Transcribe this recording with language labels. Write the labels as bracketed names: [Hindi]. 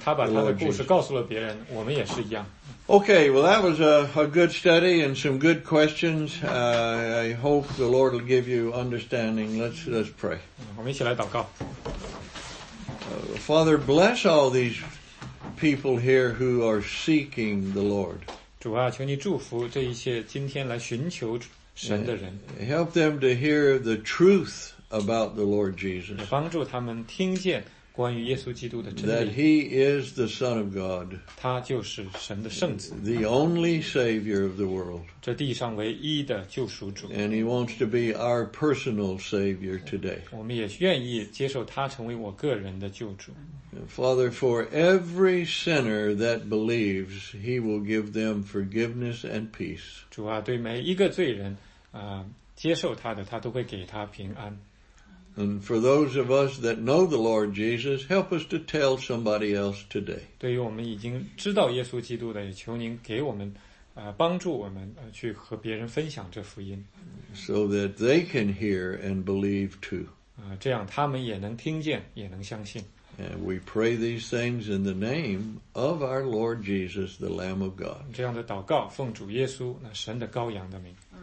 [Chinese] 她把她的故事告诉了别人，我们也是一样。 [English] Okay, well, that was a good study and some good questions. I hope the Lord will give you understanding. Let's pray. [Chinese] 我们一起来祷告。 [English] Father, bless all these. People here who are seeking the Lord. [Chinese] 主啊，求你祝福这一些今天来寻求神的人。 [English] Help them to hear the truth about the Lord Jesus. [Chinese] 帮助他们听见关于耶稣基督的真理。 [English] That he is the Son of God. [Chinese] 他就是神的圣子。 [English] The only Savior of the world. [Chinese] 这地上唯一的救赎主。 [English] And he wants to be our personal Savior today. [Chinese] 我们也愿意接受他成为我个人的救主。 [English] Father, for every sinner that believes, he will give them forgiveness and peace. [Chinese] 主啊，对每一个罪人，接受他的，他都会给他平安。 [English] And for those of us that know the Lord Jesus, help us to tell somebody else today. [Chinese] 对于我们已经知道耶稣基督的，也求您给我们，帮助我们，去和别人分享这福音。 [English] So that they can hear and believe too. [Chinese] 这样他们也能听见，也能相信。 [English] And we pray these things in the name of our Lord Jesus, the Lamb of God. [Chinese] 这样的祷告，奉主耶稣，那神的羔羊的名。